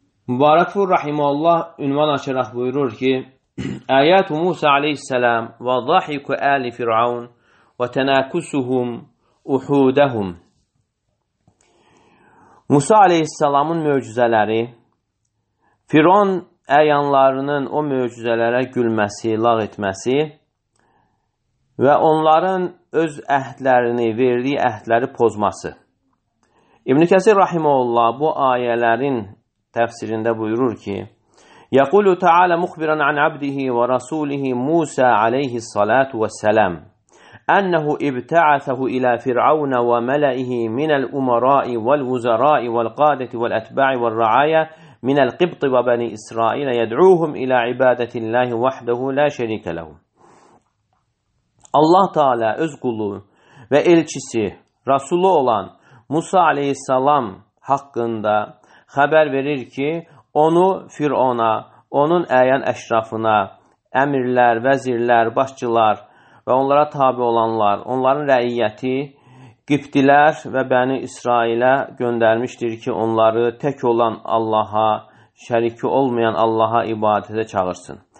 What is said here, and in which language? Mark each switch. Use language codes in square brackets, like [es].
[az] Mübarək Fur Rahimallah ünvan açaraq buyurur ki, Əyyət-u Musa aleyhissələm və zahiku əli Firavun [ar] وَتَنَاكُسُهُمْ اُحُودَهُمْ [az] Musa aleyhisselamın möcüzələri, Firon əyanlarının o möcüzələrə gülməsi, lağ etməsi və onların öz əhdlərini, verdiyi əhdləri pozması. İbn-i Kəsir Rahimullah bu ayələrin təfsirində buyurur ki, [ar] يَقُولُ تَعَالَ مُخْبِرًا عَنْ عَبْدِهِ وَرَسُولِهِ مُوسَى عَلَيْهِ الصَّلَاةُ وَالسَّلَامُ أنه ابتعثه إلى فرعون وملئه من الأمراء والوزراء والقادة والأتباع والرعاية من القبط وبني إسرائيل يدعوهم إلى عبادة الله وحده لا شريك له. [az] الله تعالى öz qulu və elçisi rasulu olan Musa aleyhisselam haqqında xəbər verir ki, onu Firavuna, onun əyan əşrafına, əmirlər, vəzirlər, başçılar və onlara tabi olanlar, onların rəiyyəti, qiptilər və bəni İsrailə göndərmişdir ki, onları tək olan Allaha, şəriki olmayan Allaha ibadətə çağırsın.